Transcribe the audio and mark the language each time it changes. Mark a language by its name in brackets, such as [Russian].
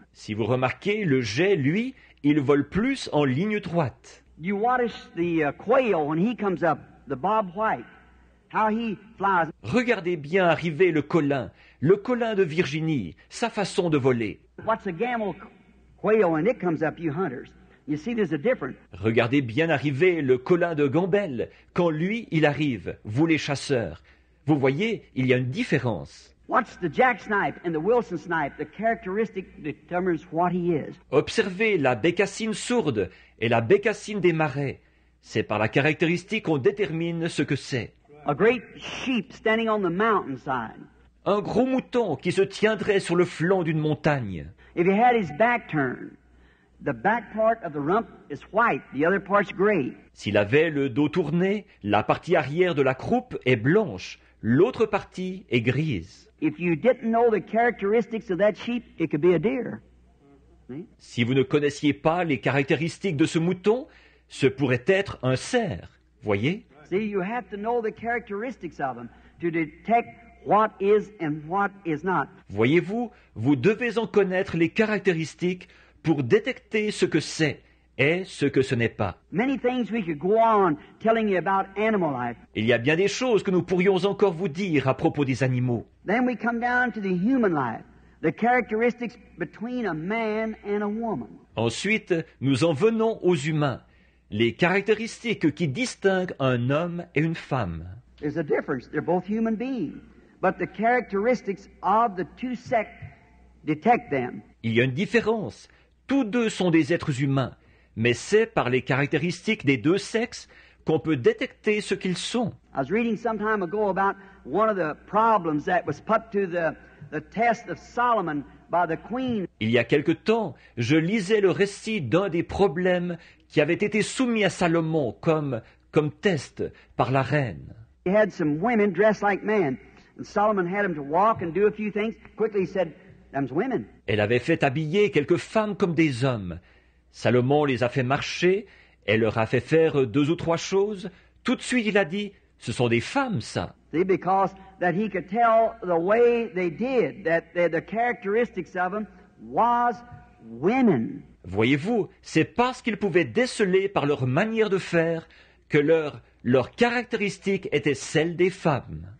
[French] Si vous remarquez, le jay, lui, il vole plus en ligne droite. [English] You watch the quail when he comes up, the Bob White. How he flies. [French] Regardez bien arriver le colin de Virginie, sa façon de voler. [English] What's a gamble quail when it comes up, you hunters? You see, there's a difference. [French] Regardez bien arriver le colin de Gambelle quand lui il arrive, vous les chasseurs. Vous voyez, il y a une différence. [English] What's the jacksnipe and the Wilson snipe? The characteristic determines what he is. [French] Observez la bécassine sourde et la bécassine des marais. C'est par la caractéristique qu'on détermine ce que c'est. [English] A great sheep standing on the mountainside. [French] Un gros mouton qui se tiendrait sur le flanc d'une montagne. [English] If he had his back turned, the back part of the rump is white, the other part's gray. [French] S'il avait le dos tourné, la partie arrière de la croupe est blanche, l'autre partie est grise. [English] If you didn't know the characteristics of that sheep, it could be a deer. [French] Si vous ne connaissiez pas les caractéristiques de ce mouton, ce pourrait être un cerf. Voyez? [English] See, you have to know the characteristics of them to detect what is and what is not. [French] Voyez-vous, vous devez en connaître les caractéristiques pour détecter ce que c'est et ce que ce n'est pas. [English] Many things we could go on telling you about animal life. [French] Il y a bien des choses que nous pourrions encore vous dire à propos des animaux. [English] Then we come down to the human life, the characteristics between a man and a woman. [French] Ensuite, nous en venons aux humains, les caractéristiques qui distinguent un homme et une femme. [English] There's a difference. They're both human beings, but the characteristics of the two sex detect them. [French] Il y a une différence. Tous deux sont des êtres humains, mais c'est par les caractéristiques des deux sexes qu'on peut détecter ce qu'ils sont. [English] I was reading some time ago about one of the problems that was put to the test of Solomon by the queen. [French] Il y a quelque temps, je lisais le récit d'un des problèmes qui avait été soumis à Salomon comme test par la reine. [English] He had some women dressed like men, and Solomon had them to walk and do a few things. Quickly, he said, "Them's women." [French] Elle avait fait habiller quelques femmes comme des hommes. Salomon les a fait marcher, elle leur a fait faire deux ou trois choses. Tout de suite, il a dit, ce sont des femmes, ça. [English] See, because that he could tell the way they did, that the characteristics of them was women. [French] Voyez-vous, c'est parce qu'ils pouvaient déceler par leur manière de faire que leur caractéristique était celle des femmes.